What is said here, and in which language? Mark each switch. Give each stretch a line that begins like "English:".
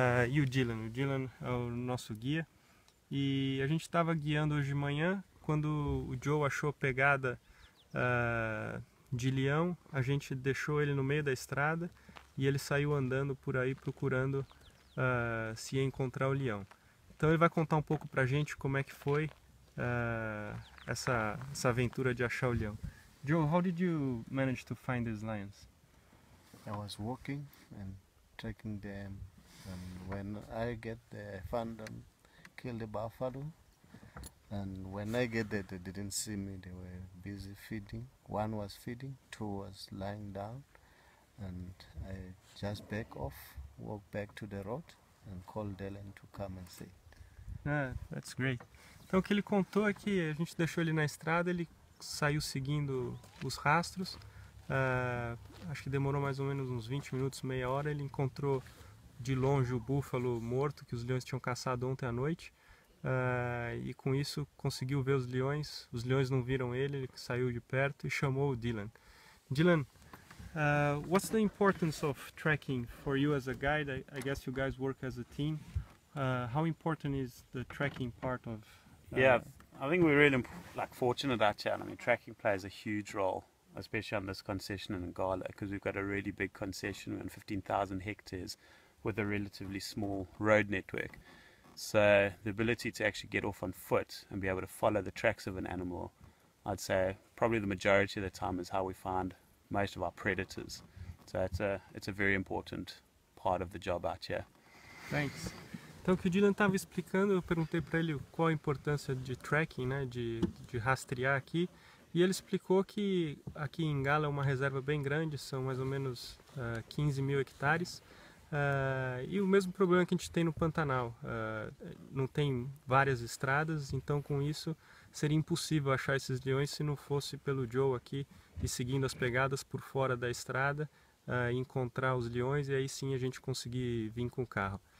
Portuguese: E o Dylan. O Dylan é o nosso guia. E a gente estava guiando hoje de manhã, quando o Joe achou a pegada de leão, a gente deixou ele no meio da estrada e ele saiu andando por aí procurando se ia encontrar o leão. Então ele vai contar um pouco pra gente como é que foi essa aventura de achar o leão.
English: Joe, how did you manage to find these lions? I was walking and tracking them, and when I get there, I found them, killed the buffalo. And when I get there, they didn't see me. They were busy feeding. One was feeding, two was lying down, and I just back off, walk back to the road, and call Dylan to come and see. Ah, that's great.
Portuguese: Então, o que ele contou é que a gente deixou ele na estrada, ele saiu seguindo os rastros. Acho que demorou mais ou menos uns 20 minutos, meia hora. Ele encontrou de longe o búfalo morto que os leões tinham caçado ontem à noite. E com isso conseguiu ver os leões. Os leões não viram ele, ele saiu de perto e chamou o Dylan.
English: Dylan, what's the importance of tracking for you as a guide? I guess you guys work as a team. How important is the tracking part of Yeah, I think we're really like fortunate out here. I mean, tracking plays a huge role, especially on this concession in Ngala, because we've got a really big concession on 15,000 hectares with a relatively small road network. So the ability to actually get off on foot and be able to follow the tracks of an animal, I'd say probably the majority of the time is how we find most of our predators. So it's a very important part of the job out here. Thanks.
Portuguese: Então, o que o Dylan estava explicando, eu perguntei para ele qual a importância de tracking, né, de rastrear aqui, e ele explicou que aqui em Ngala é uma reserva bem grande, são mais ou menos 15 mil hectares, e o mesmo problema que a gente tem no Pantanal, não tem várias estradas, então com isso seria impossível achar esses leões se não fosse pelo Joe aqui e seguindo as pegadas por fora da estrada, encontrar os leões e aí sim a gente conseguir vir com o carro.